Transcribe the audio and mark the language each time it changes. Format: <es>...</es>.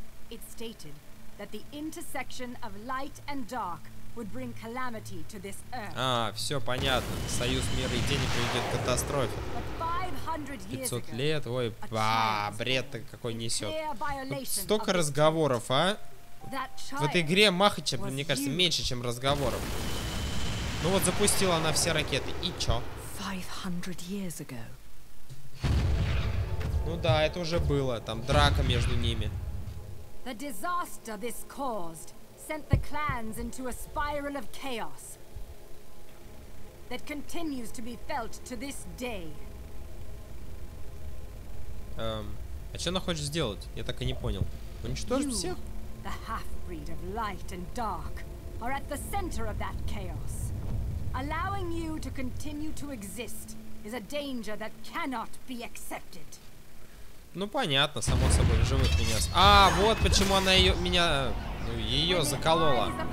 <en>It stated that the intersection of light and dark would bring calamity to this earth.</en> <ru>А, все понятно. Союз мира и тени приведет к катастрофе. 500 лет, ой, ба, бред-то какой несет. Столько разговоров, а? В этой игре Махача, мне кажется, меньше, чем разговоров. Ну вот, запустила она все ракеты, и чё?</ru> <en>500 years ago.</en> <ru>Ну да, это уже было, там драка между ними.</ru> <en>The disaster this caused sent the clans into a spiral of chaos that continues to be felt to this day.</en> <ru>А что она хочет сделать? Я так и не понял. Уничтожить всех?</ru> <en>The half-breed of light and dark are at the center of that chaos. Allowing you to continue to exist is a danger that cannot be accepted.</en> <ru>Ну понятно, само собой, живых меня. А, вот почему она ее меня. Ну, ее заколола.</ru>